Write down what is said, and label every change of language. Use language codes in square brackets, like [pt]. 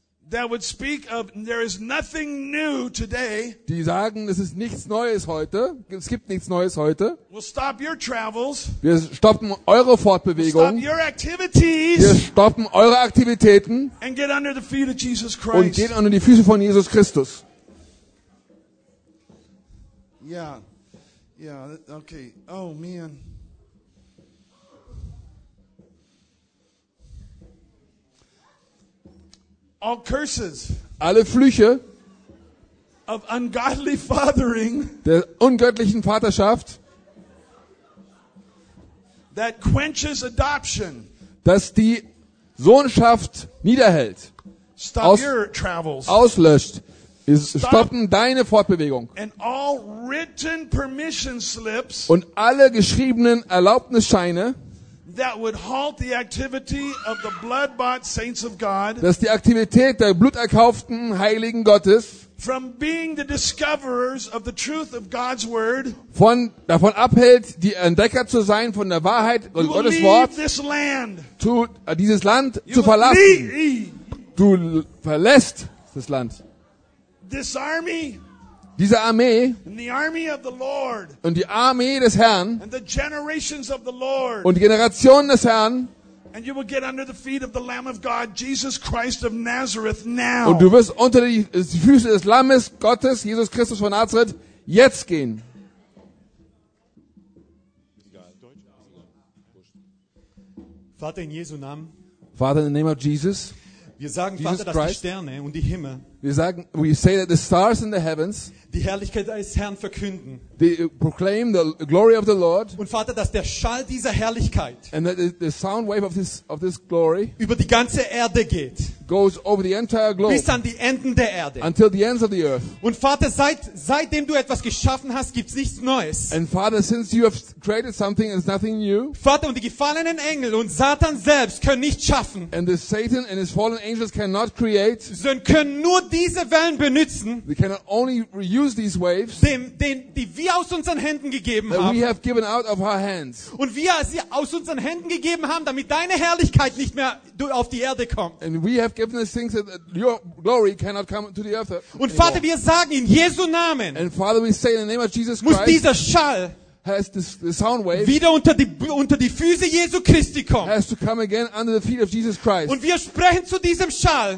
[en] That would speak of there is nothing new today. [de] Die sagen, es ist nichts Neues heute. Es gibt nichts Neues heute. [en] We'll stop your travels. [de] Wir stoppen eure Fortbewegung. [en] We'll stop your activities. [de] Wir stoppen eure Aktivitäten. [en] And get under the feet of Jesus Christ. [de] Und geht unter die Füße von Jesus Christus. [en] Yeah. Yeah, okay. Oh man. All curses. [de] Alle Flüche [en] of ungodly fathering. [de] Der ungöttlichen Vaterschaft. [en] That quenches adoption. [de] Dass die Sohnschaft niederhält. [en] Stop your travels. [de] Auslöscht. Stoppen deine Fortbewegung. [en] And all written permission slips. [de] Und alle geschriebenen Erlaubnisscheine. [en] That would halt the activity of the blood-bought saints of God. [de] Dass die Aktivität der bluterkauften Heiligen Gottes. [en] From being the discoverers of the truth of God's word. [de] Davon abhält, die Entdecker zu sein von der Wahrheit und Gottes Wort. [en] This land. [de] Dieses Land zu verlassen. Du verlässt das Land. [en] This army. [de] Diese Armee [en] and the army of the Lord, [de] und die Armee des Herrn [en] and the generations of the Lord, [de] und die Generationen des Herrn [en] and you will get under the feet of the Lamb of God, Jesus Christ of Nazareth now. [de] Und du wirst unter die Füße des Lammes Gottes, Jesus Christus von Nazareth, jetzt gehen. Vater in Jesu Namen. [en] Father in the name of Jesus. [de] Wir sagen Jesus Vater, Christ, dass die Sterne und die Himmel. [en] We say that the stars and the heavens. [de] Die Herrlichkeit des Herrn verkünden. [en] They proclaim the glory of the Lord. [de] Und Vater, dass der Schall dieser Herrlichkeit. [en] And that the sound wave of this glory. [de] Über die ganze Erde geht. [en] Goes over the entire globe. [de] Bis an die Enden der Erde. [en] Until the ends of the earth. [de] Und Vater, seitdem du etwas geschaffen hast, gibt's nichts Neues. [en] And Father, since you have created something, it's nothing new. [de] Vater, und die gefallenen Engel und Satan selbst können nicht schaffen. [en] And the Satan and his fallen angels cannot create. [de] Sie können nur diese Wellen benutzen. [en] They cannot only use these waves. [de] Die wir aus unseren Händen gegeben [en] that [de] haben. [en] We have given out of our hands. [de] Und wir sie aus unseren Händen gegeben haben, damit deine Herrlichkeit nicht mehr auf die Erde kommt. [en] And we have given us things that your glory cannot come to the earth. [de] Und Vater, wir sagen in Jesu Namen. [en] And Father, we say in the name of Jesus Christ. [de] Muss dieser Schall [en] has the sound wave [de] wieder unter die Füße Jesu Christi kommen. [en] Has to come again under the feet of Jesus Christ. [de] Und wir sprechen zu diesem Schall.